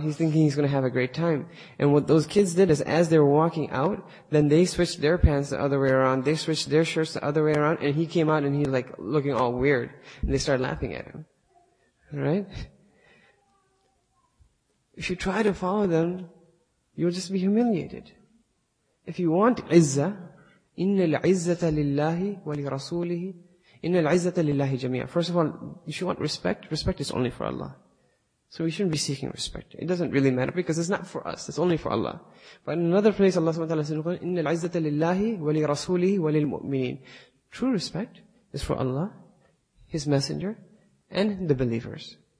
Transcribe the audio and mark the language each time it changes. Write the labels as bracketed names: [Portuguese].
[English] He's thinking he's gonna have a great time. And what those kids did is as they were walking out, then they switched their pants the other way around. They switched their shirts the other way around and he came out and he's like looking all weird and they started laughing at him. Right? If you try to follow them, you'll just be humiliated. If you want izzah, [Arabic] إِنَّ الْعِزَّةَ لِلَّهِ وَلِرَسُولِهِ إِنَّ الْعِزَّةَ لِلَّهِ جَمِيعًا. [English] First of all, if you want respect, respect is only for Allah. So we shouldn't be seeking respect. It doesn't really matter because it's not for us. It's only for Allah. But in another place, Allah subhanahu wa ta'ala says, [Arabic] إِنَّ الْعِزَّةَ لِلَّهِ وَلِرَسُولِهِ وَلِلْمُؤْمِنِينَ. [English] True respect is for Allah, His Messenger, and the believers.